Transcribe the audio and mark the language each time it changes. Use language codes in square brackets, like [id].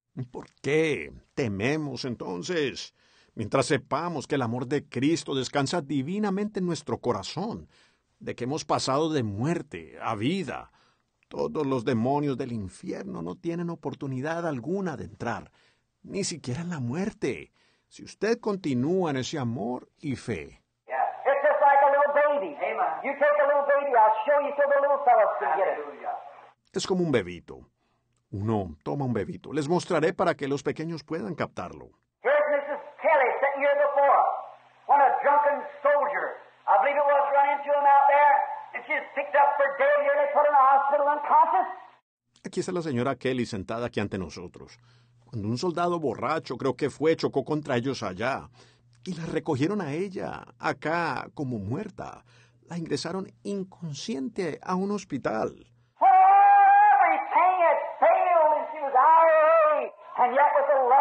[es] ¿Por qué tememos entonces, mientras sepamos que el amor de Cristo descansa divinamente en nuestro corazón, de que hemos pasado de muerte a vida? Todos los demonios del infierno no tienen oportunidad alguna de entrar, ni siquiera en la muerte. Si usted continúa en ese amor y fe. [en] Yeah, it's just like a little baby. Amen. You take a little baby, I'll show you so the little fellows can get it. [es] Es como un bebito. Uno toma un bebito. Les mostraré para que los pequeños puedan captarlo. [en] Here's Mrs. Kelly sitting here before. When a drunken soldier, I believe it was, run into him out there, and she's picked up for dead here, they put her in the hospital unconscious. [es] Aquí está la señora Kelly sentada aquí ante nosotros. Cuando un soldado borracho, creo que fue, chocó contra ellos allá, y la recogieron a ella, acá, como muerta. La ingresaron inconsciente a un hospital. Everything had failed, and she was out of the way. And yet with the